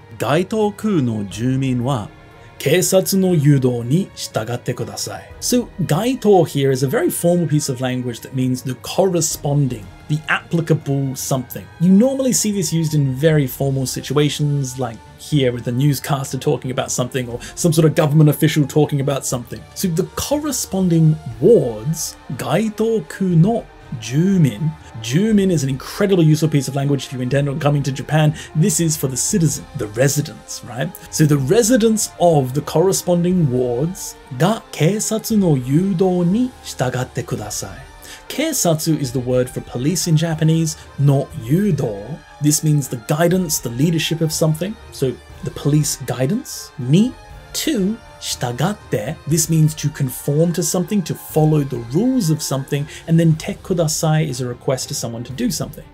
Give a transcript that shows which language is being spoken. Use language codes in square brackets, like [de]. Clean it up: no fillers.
[ja] 該当区の住民は警察の誘導に従ってください。 [en] So, 該当 here is a very formal piece of language that means the corresponding, the applicable something. You normally see this used in very formal situations, like here with a newscaster talking about something or some sort of government official talking about something. So, the corresponding wards, [ja] 該当区の Jūmin. [en] Jūmin is an incredibly useful piece of language if you intend on coming to Japan. This is for the citizen, the residents, right? So the residents of the corresponding wards [ja] が警察の誘導に従ってください。 [en] Keisatsu is the word for police in Japanese, [ja] no yūdou. [en] This means the guidance, the leadership of something. So the police guidance. [ja] Ni, [en] to, Shitagatte, this means to conform to something, to follow the rules of something, and then [ja] te kudasai [en] is a request to someone to do something.